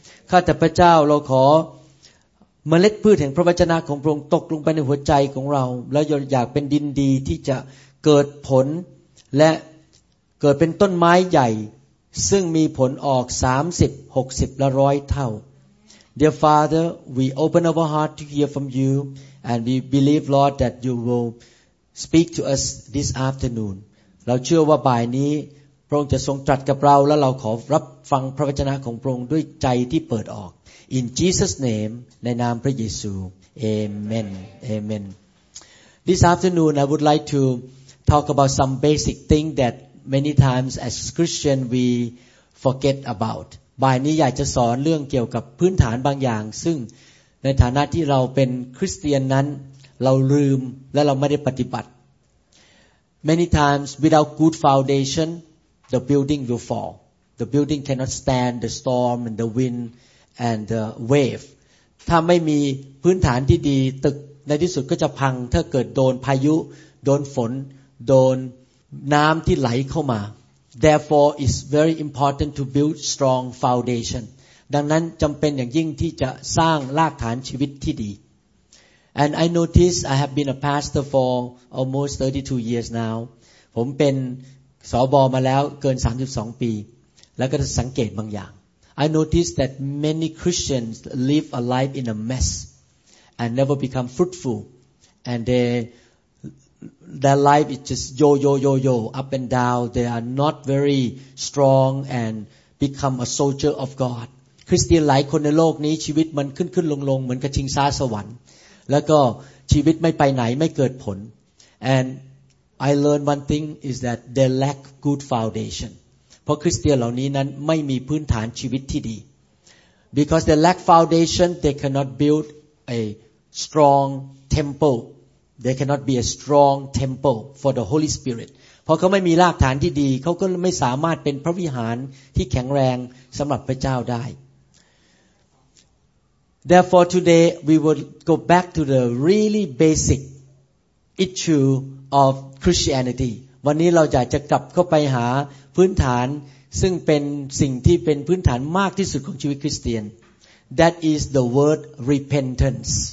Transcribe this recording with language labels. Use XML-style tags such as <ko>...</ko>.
<th>ข้าแต่พระเจ้าเราขอเมล็ดพืชแห่งพระวจนะของพระองค์ตกลงไปในหัวใจของเราแล้วอยากเป็นดินดีที่จะเกิดผลและเกิดเป็นต้นไม้ใหญ่ซึ่งมีผลออก30 60และ100เท่า</th> <en>Dear Father, we open our heart to hear from you and we believe Lord that you will speak to us this afternoon.</en> <th>เราเชื่อว่าบ่ายนี้พระองค์จะทรงตรัสกับเราและเราขอรับฟังพระวจนะของพระองค์ด้วยใจที่เปิดออก</th> <en>In Jesus name</en> <th>ในนามพระเยซู Amen.</th> <en>Amen. This afternoon I would like to talk about some basic thing thatMany times as Christian we forget about.</en> <th>บ่ายนี้อยากจะสอนเรื่องเกี่ยวกับพื้นฐานบางอย่างซึ่งในฐานะที่เราเป็นคริสเตียนนั้นเราลืมและเราไม่ได้ปฏิบัติ</th> <en>Many times without good foundation the building will fall. The building cannot stand the storm and the wind and the wave.</en> <th>ถ้าไม่มีพื้นฐานที่ดีตึกในที่สุดก็จะพังถ้าเกิดโดนพายุโดนฝนโดนน้ำที่ไหลเข้ามา</th> <en>therefore it's very important to build strong foundation</en> <th>ดังนั้นจำเป็นอย่างยิ่งที่จะสร้างรากฐานชีวิตที่ดี</th> <en>and I notice I have been a pastor for almost 32 years now</en> <th>ผมเป็นสบมาแล้วเกิน32ปีแล้วก็สังเกตบางอย่าง</th> <en>I notice that many Christians live a life in a mess and never become fruitful and their life is just yo-yo-yo-yo, up and down. They are not very strong and become a soldier of God.</en> <th>Christian หลายคนในโลกนี้ชีวิตมันขึ้นขึ้นลงลงเหมือนกับชิงช้าสวรรค์แล้วก็ชีวิตไม่ไปไหนไม่เกิดผล</th> <en>And I learned one thing is that they lack good foundation.</en> <th>เพราะคริสเตียนเหล่านี้นั้นไม่มีพื้นฐานชีวิตที่ดี</th> <en>Because they lack foundation, they cannot build a strong temple. They cannot be a strong temple for the Holy Spirit.</en> <th>เพราะเขาไม่มีรากฐานที่ดีเขาก็ไม่สามารถเป็นพระวิหารที่แข็งแรงสำหรับพระเจ้าได้</th> <en>Therefore today we will go back to the really basic issue of Christianity.</en> <th>วันนี้เราอยากจะกลับเข้าไปหาพื้นฐานซึ่งเป็นสิ่งที่เป็นพื้นฐานมากที่สุดของชีวิตคริสเตียน</th> <en>That is the word repentance.</en>